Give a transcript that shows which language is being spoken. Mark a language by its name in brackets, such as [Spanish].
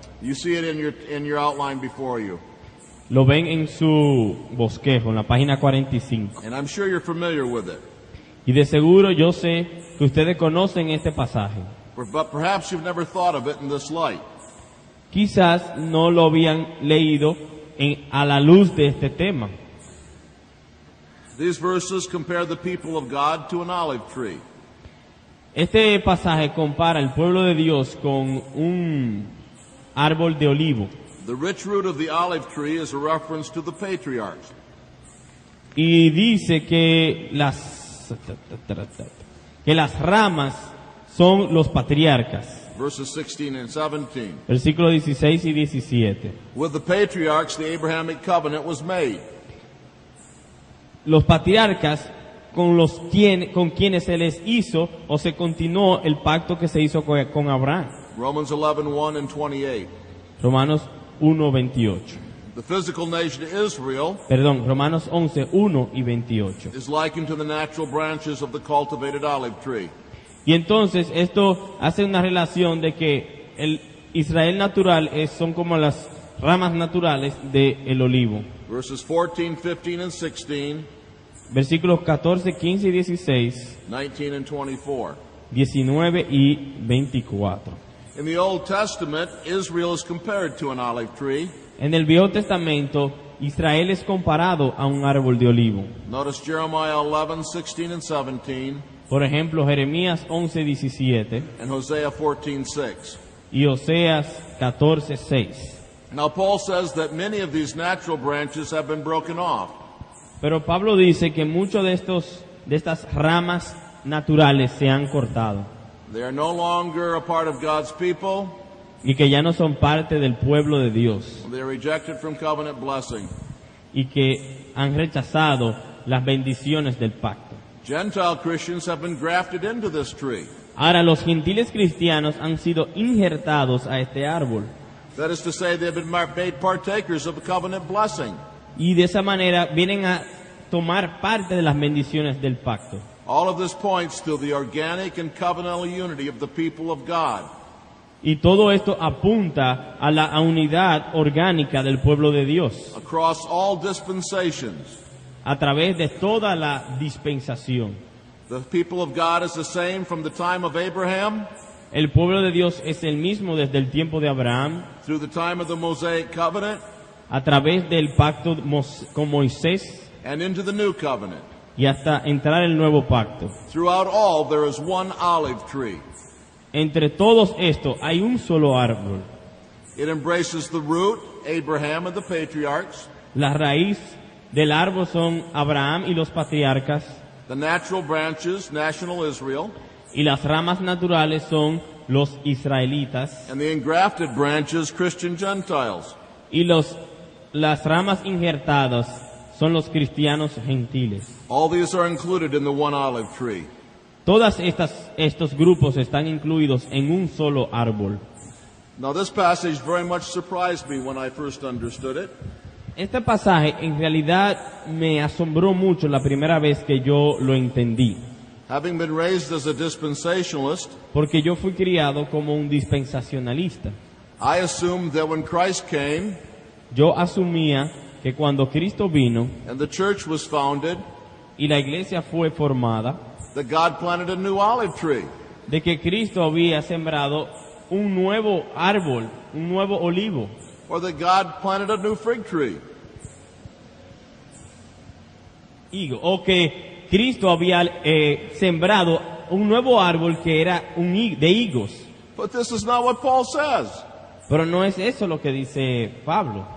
[English] You see it in your outline before you. [Spanish] Lo ven en su bosquejo, en la página 45. [English] And I'm sure you're familiar with it. [Spanish] Y de seguro yo sé que ustedes conocen este pasaje. [English] But perhaps you've never thought of it in this light. [Spanish] Quizás no lo habían leído a la luz de este tema. [English] These verses compare the people of God to an olive tree. [Spanish] Este pasaje compara el pueblo de Dios con un árbol de olivo. [English] The rich root of the olive tree is a reference to the patriarchs. [Spanish] Y dice que las ramas son los patriarcas. [English] Verses 16 and 17. [Spanish] Versículo 16 y 17. [English] With the patriarchs, the Abrahamic covenant was made. [Spanish] Los patriarcas con quienes se les hizo o se continuó el pacto que se hizo con Abraham. [English] Romans 11:1-28. [Spanish] Romanos 1:28. [English] The physical nation of Israel. [Spanish] Perdón, Romanos 11:1-28. [English] Is likened to the natural branches of the cultivated olive tree. [Spanish] Y entonces esto hace una relación de que el Israel natural son como las ramas naturales del olivo. [English] Verses 14, 15, and 16. [Spanish] Versículos 14, 15 y 16. [English] 19 and 24. [Spanish] 19 y 24. [English] In the Old Testament, Israel is compared to an olive tree. [Spanish] En el Viejo Testamento, Israel es comparado a un árbol de olivo. [English] Notice Jeremiah 11:16 and 17. [Spanish] Por ejemplo, Jeremías 11:17. [English] And Hosea 14:6. [Spanish] Y Oseas 14:6. [English] Now Paul says that many of these natural branches have been broken off. [Spanish] Pero Pablo dice que muchos de estas ramas naturales se han cortado. [English] They are no longer a part of God's people. [Spanish] Y que ya no son parte del pueblo de Dios. [English] They are rejected from covenant blessing. [Spanish] Y que han rechazado las bendiciones del pacto. [English] Gentile Christians have been grafted into this tree. [Spanish] Ahora los gentiles cristianos han sido injertados a este árbol. [English] That is to say, they have been made partakers of the covenant blessing. [Spanish] Y de esa manera vienen a tomar parte de las bendiciones del pacto. [English] All of this points to the organic and covenantal unity of the people of God. [Spanish] Y todo esto apunta a la unidad orgánica del pueblo de Dios. [English] Across all dispensations. [Spanish] A través de toda la dispensación. [English] The people of God is the same from the time of Abraham. [Spanish] El pueblo de Dios es el mismo desde el tiempo de Abraham. [English] Through the time of the Mosaic covenant. [Spanish] A través del pacto con Moisés. [English] And into the new covenant. [Spanish] Y hasta entrar el nuevo pacto. [English] Throughout all there is one olive tree. [Spanish] Entre todos estos hay un solo árbol. [English] It embraces the root, Abraham and the patriarchs. [Spanish] La raíz del árbol son Abraham y los patriarcas. [English] The natural branches, national Israel. [Spanish] Y las ramas naturales son los israelitas. [English] And the engrafted branches, Christian Gentiles. [Spanish] Y las ramas injertadas son los cristianos gentiles. [English] All these are included in the one olive tree. [Spanish] Todas estos grupos están incluidos en un solo árbol. [English] Now this passage very much surprised me when I first understood it. [Spanish] Este pasaje en realidad me asombró mucho la primera vez que yo lo entendí. [English] Having been raised as a dispensationalist, [Spanish] porque yo fui criado como un dispensacionalista. [English] I assumed that when Christ came, [Spanish] yo asumía que cuando Cristo vino, [English] and the church was founded, [Spanish] y la iglesia fue formada, [English] that God planted a new olive tree. [Spanish] De que Cristo había sembrado un nuevo árbol, un nuevo olivo. [English] Or that God planted a new fig tree. [Spanish] Higo. O que Cristo había sembrado un nuevo árbol que era de higos. [English] But this is not what Paul says. [Spanish] Pero no es eso lo que dice Pablo.